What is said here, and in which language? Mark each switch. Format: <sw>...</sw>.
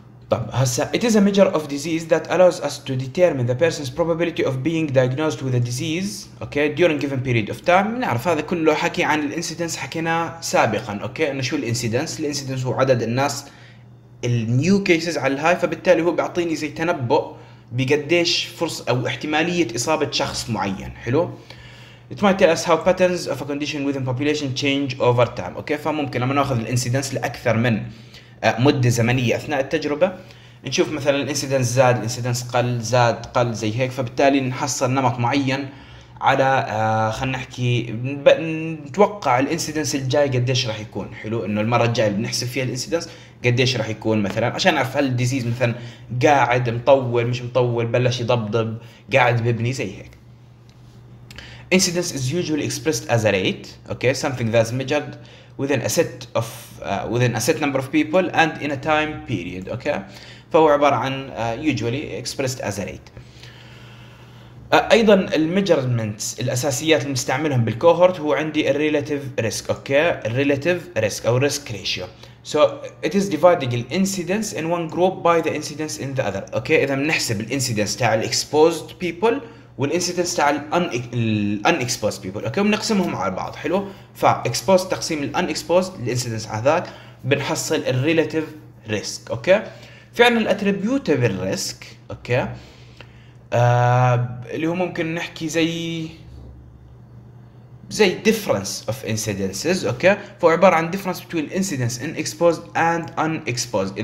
<ar>طب هسا</ar> <en>it is a measure of disease that allows us to determine the person's probability of being diagnosed with a disease. Okay. During given period of time.</en> <ar>نعرف هذا كله حكي عن الانسيدنس حكينا سابقا.</ar> <en>Okay.</en> <ar>إنه شو الانسيدنس؟ الانسيدنس هو عدد الناس النيو كيسز على الهاي، فبالتالي هو بيعطيني زي تنبؤ بقديش فرص او احتماليه اصابه شخص معين، حلو.</ar> <en>It might tell us how patterns of a condition within population change over time.</en> <ar>اوكي فممكن لما ناخذ الانسيدنس لاكثر من مده زمنيه اثناء التجربه نشوف مثلا الانسيدنس زاد، الانسيدنس قل، زاد قل، زي هيك، فبالتالي نحصل نمط معين على خلينا نحكي نتوقع الانسيدنس الجاي قديش راح يكون، حلو انه المره الجايه بنحسب فيها الانسيدنس قديش راح يكون مثلا عشان اعرف هل الديزيز مثلا قاعد مطول مش مطول، بلش يضبضب، قاعد ببني، زي هيك.</ar> <en>incidence is usually expressed as a rate, okay, something that's measured within a set of within a set number of people and in a time period, okay.</en> <ar>فهو عبارة عن</ar> <en>usually expressed as a rate.</en> <ar>أيضا الميجرمنتس الأساسيات اللي مستعملهم بالكوهورت هو عندي الريلاتيف ريسك، أوكي الريلاتيف ريسك أو ريسك ريشيو.</ar> <en>So it is dividing the incidence in one group by the incidence in the other.</en> <ar>Okay, إذا بنحسب الإنسيدنس تاع الـ exposed people والإنسيدنس تاع الـ unexposed people، أوكي بنقسمهم على بعض، حلو؟ فـ exposed تقسيم الـ unexposed الإنسيدنس على ذاك بنحصل الـ relative risk، أوكي؟ في عندنا الـ attributable risk، أوكي؟ اللي هو ممكن نحكي زي</ar> <en>difference of incidences،</en> <ar>اوكي فهو عبارة عن</ar> <en>difference between incidence in exposed and unexposed.</en>